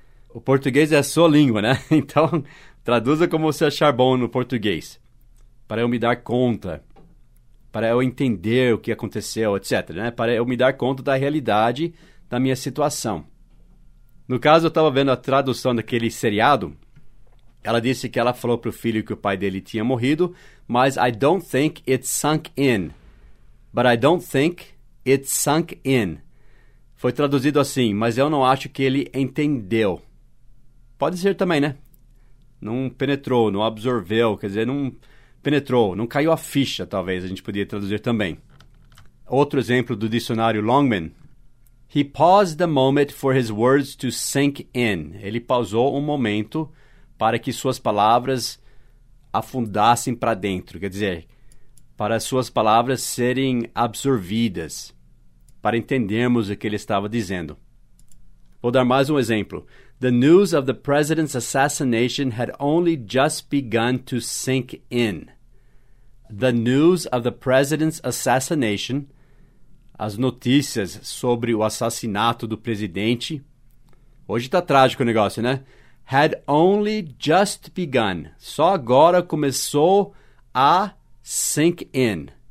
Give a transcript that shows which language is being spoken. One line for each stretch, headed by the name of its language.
Portuguese: O português é a sua língua, né? Então, traduza como você achar bom no português, para eu me dar conta, para eu entender o que aconteceu, etc., né? Para eu me dar conta da realidade da minha situação. No caso, eu estava vendo a tradução daquele seriado. Ela disse que ela falou para o filho que o pai dele tinha morrido, mas
English: I don't think it sunk in. But I don't think it sunk in.
Portuguese: Foi traduzido assim, mas eu não acho que ele entendeu. Pode ser também, né? Não penetrou, não absorveu, quer dizer, não penetrou, não caiu a ficha, talvez, a gente podia traduzir também. Outro exemplo do dicionário Longman.
English: He paused a moment for his words to sink in.
Portuguese: Ele pausou um momento para que suas palavras afundassem para dentro. Quer dizer, para suas palavras serem absorvidas, para entendermos o que ele estava dizendo. Vou dar mais um exemplo.
English: The news of the president's assassination had only just begun to sink in. The news of the president's assassination...
Portuguese: As notícias sobre o assassinato do presidente. Hoje está trágico o negócio, né?
English: Had only just begun.
Portuguese: Só agora começou a sink in.